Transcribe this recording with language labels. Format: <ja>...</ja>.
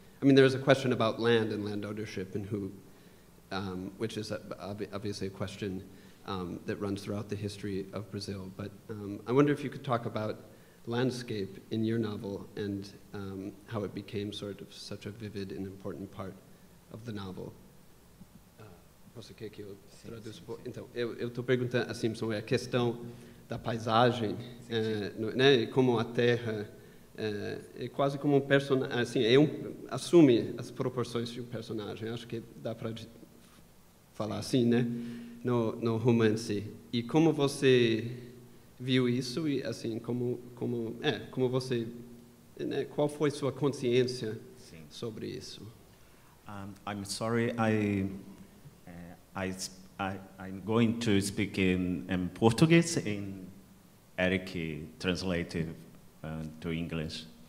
<en>I mean, there is a question about land and land ownership and who, which is obviously a question. That runs throughout the history of Brazil, but I wonder if you could talk about landscape in your novel and how it became sort of such a vivid and important part of the novel.</en> <pt>Posso que eu traduzo? Então, eu estou perguntando assim sobre a questão da paisagem, né? Como a terra é quase como um personagem, assim, assume as proporções de um personagem. Acho que dá para falar assim, né? No romance. E como você viu isso e assim como você, né, qual foi sua consciência Sim. sobre isso?</pt> <en>I'm sorry, I'm going to speak in Portuguese and Eric translated to English.</en>